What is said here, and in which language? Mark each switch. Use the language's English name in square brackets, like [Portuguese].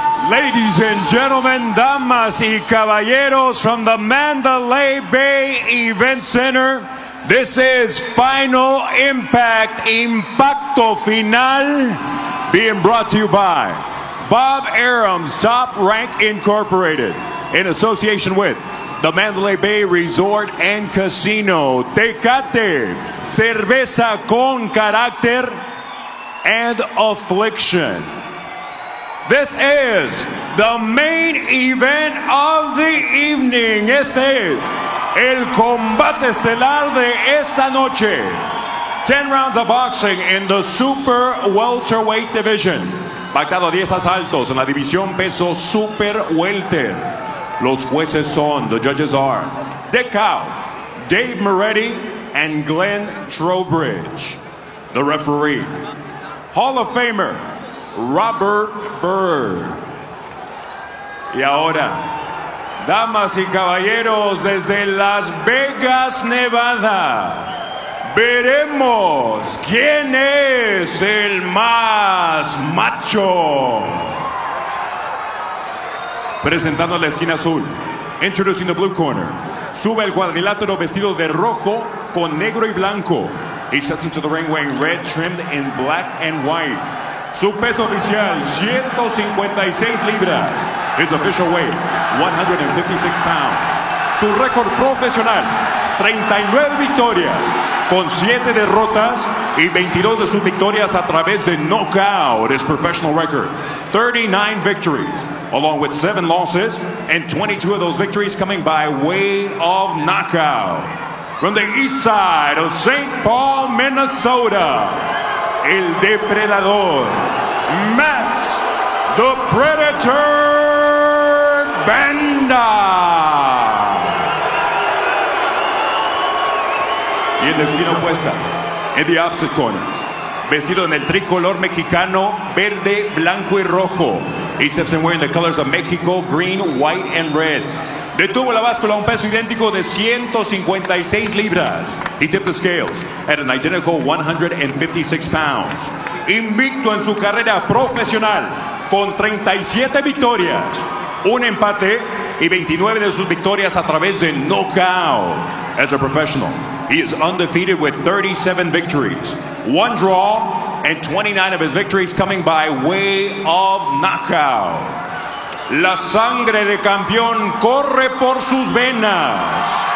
[English] Ladies and gentlemen, [Spanish] damas y caballeros [English] from the Mandalay Bay Event Center, this is Final Impact, Impacto Final, being brought to you by Bob Arum's Top Rank Incorporated in association with the Mandalay Bay Resort and Casino, Tecate, Cerveza con Carácter, and Affliction. This is the main event of the evening. [Spanish] Este es el combate estelar de esta noche. [English] 10 rounds of boxing in the super welterweight division. [Spanish] Pactado 10 asaltos en la división peso super welter. Los jueces son, [English] the judges are, [Spanish] Dick Cow, Dave Moretti, and Glenn Trowbridge. [English] The referee, Hall of Famer, Robert Byrd. [Spanish] Y ahora, damas y caballeros, desde Las Vegas, Nevada, veremos quién es el más macho. Presentando la esquina azul, [English] introducing the blue corner, [Spanish] sube el cuadrilátero vestido de rojo con negro y blanco. [English] He steps into the ring wearing red trimmed in black and white. [Spanish] Su peso oficial, 156 libras. [English] His official weight, 156 pounds. [Spanish] Su récord profesional, 39 victorias con 7 derrotas y 22 de sus victorias a través de knockout. [English] His professional record, 39 victories, along with 7 losses, and 22 of those victories coming by way of knockout. From the east side of St. Paul, Minnesota, El Depredador, Max the Predator Vanda. [Spanish] Y en la esquina opuesta, en [English] the opposite corner, [Spanish] vestido en el tricolor mexicano, verde, blanco y rojo. [English] He steps in wearing the colors of Mexico, green, white, and red. [Spanish] Detuvo la báscula a un peso idéntico de 156 libras. [English] He tipped the scales at an identical 156 pounds. [Spanish] Invicto en su carrera profesional con 37 victorias, un empate y 29 de sus victorias a través de knockout. [English] As a professional, he is undefeated with 37 victories, one draw, and 29 of his victories coming by way of knockout. [Spanish] La sangre de campeón corre por sus venas.